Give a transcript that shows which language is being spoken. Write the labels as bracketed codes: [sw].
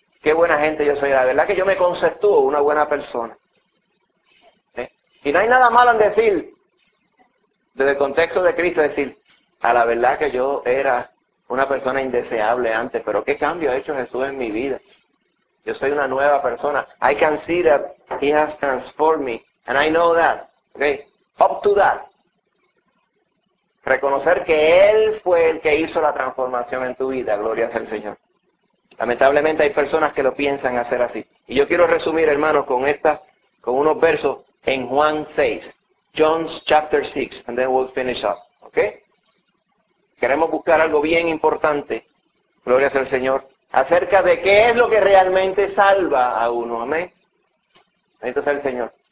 [es] Qué buena gente yo soy, la verdad que yo me conceptúo una buena persona. Y no hay nada malo en decir, desde el contexto de Cristo, decir, a la verdad que yo era una persona indeseable antes, pero qué cambio ha hecho Jesús en mi vida. Yo soy una nueva persona. [en] I can see that He has transformed me, and I know that. Okay, up to that. [es] Reconocer que Él fue el que hizo la transformación en tu vida, gloria sea al Señor. Lamentablemente hay personas que lo piensan hacer así. Y yo quiero resumir, hermanos, con esta, con unos versos en Juan 6. [en] John's chapter 6, and then we'll finish up. [es] Okay? Queremos buscar algo bien importante, gloria sea al Señor, acerca de qué es lo que realmente salva a uno. Amén. Bendito sea el Señor.